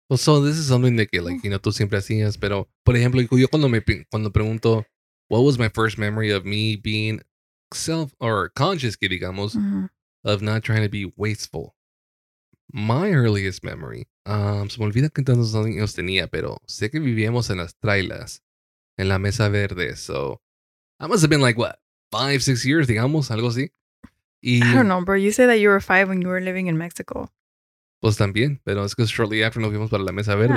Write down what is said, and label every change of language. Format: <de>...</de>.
<en>Well, so, this is something that, like, you know,</en> <es>tú siempre hacías, pero, por ejemplo, yo cuando pregunto,</es> <en>what was my first memory of me being self, or conscious,</en> <es>que digamos,</es> <en>mm-hmm. of not trying to be wasteful. My earliest memory,</en> <es>se me olvida que tantos años tenía, pero sé que vivíamos en las trailas, en la mesa verde.</es> <en>So, I must have been like, what, 5, 6 years,</en> <es>digamos, algo así.</es> <en>Y, I don't know, bro. You said that you were 5 when you were living in Mexico.</en> <es>Pues también, pero es que</es> <en>shortly after</en> <es>nos fuimos para la mesa verde.</es>